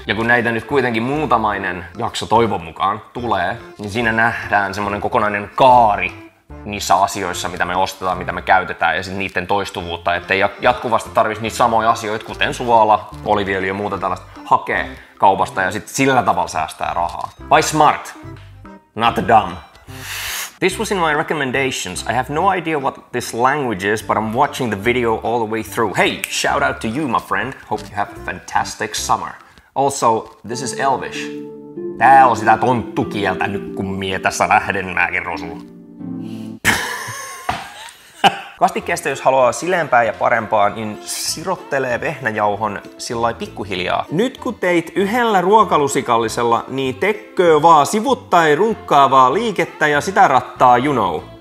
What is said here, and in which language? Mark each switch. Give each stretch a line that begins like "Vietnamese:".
Finnish: Ja kun näitä nyt kuitenkin muutamainen jakso toivon mukaan tulee, niin siinä nähdään semmonen kokonainen kaari niissä asioissa, mitä me ostetaan, mitä me käytetään, ja sitten niiden toistuvuutta, ettei jatkuvasti tarvitsisi niitä samoja asioita, kuten suola, oliiviöljy ja muuta tällaista, hakee kaupasta ja sitten sillä tavalla säästää rahaa. By smart, not dumb.
English: This was in my recommendations. I have no idea what this language is, but I'm watching the video all the way through. Hey, shout out to you, my friend. Hope you have a fantastic summer. Also, this is Elvish.
Finnish: Tää on sitä tonttukieltä nyt, kun mie tässä lähden, mä kerron sulle. Vastikkeesta, jos haluaa sileämpää ja parempaa, niin sirottelee vehnäjauhon sillai pikkuhiljaa. Nyt kun teit yhdellä ruokalusikallisella, niin tekköö vaan sivuttai runkkaavaa liikettä ja sitä rattaa, you know.